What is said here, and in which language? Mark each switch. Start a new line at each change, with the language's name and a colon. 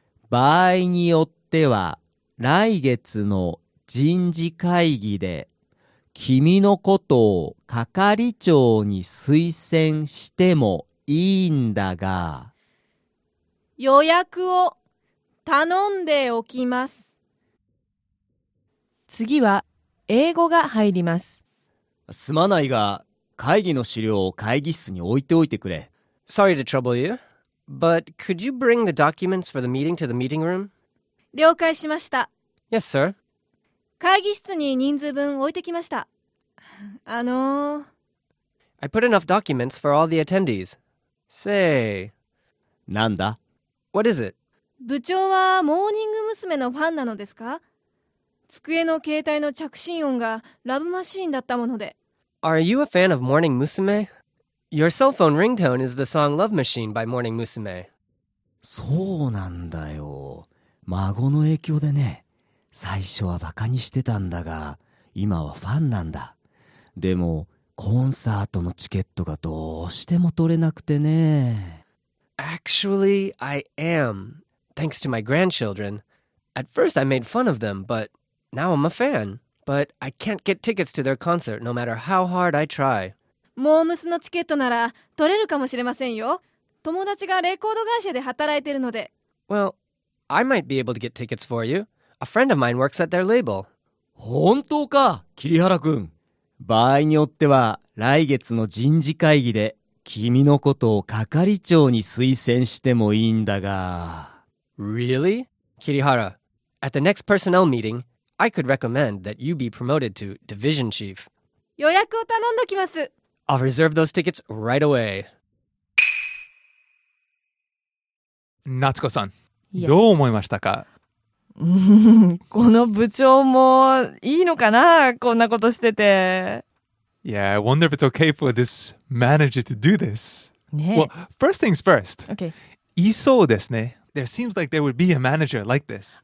Japanese: 場合によっては来月の人事会議で君のことを係長に推薦してもいいんだが。予約を頼んでおきます。次は英語が入ります。すまないが、会議の資料を会議室に置いておいてくれ。
English: Sorry to trouble you, but could you bring the documents for the meeting to the meeting room?
Japanese: 了解しました。
English: Yes, sir.
Japanese: 会議室に人数分置いてきました。
English: I put enough documents for all the attendees. Say...
Japanese: なんだ？
English: What is it?
Japanese: 部長はモーニング娘。のファンなのですか？机の携帯の着信音がラブマシーンだったもので。
English: Are you a fan of Morning Musume? Your cell phone ringtone is the song Love Machine by Morning Musume.
Japanese: そうなんだよ。孫の影響でね。最初はバカにしてたんだが、今はファンなんだ。でも、コンサートのチケットがどうしても取れなくてね。
English: Actually, I am. Thanks to my grandchildren. At first I made fun of them, but... Now I'm a fan, but I can't get tickets to their concert no matter how hard I try.
Japanese: モームスのチケットなら取れるかもしれませんよ。友達がレコード会社で働いてるので。
English: Well, I might be able to get tickets for you. A friend of mine works at their label.
Japanese: 本当か、桐原くん。場合によっては来月の人事会議で君のことを係長に推薦してもいいんだが。
English: Really? 桐原、at the next personnel meeting,I could recommend that you be promoted to division chief.
Japanese: 予約を頼んどきます。
English: I'll reserve those tickets right away.
Japanese: 夏子さん、どう思いましたか？この部長もいいのかな？こんなことしてて。
English: Yeah, I wonder if it's okay for this manager to do this. Well, first things first. Okay.
Japanese: いそうですね。
English: There seems like there would be a manager like this.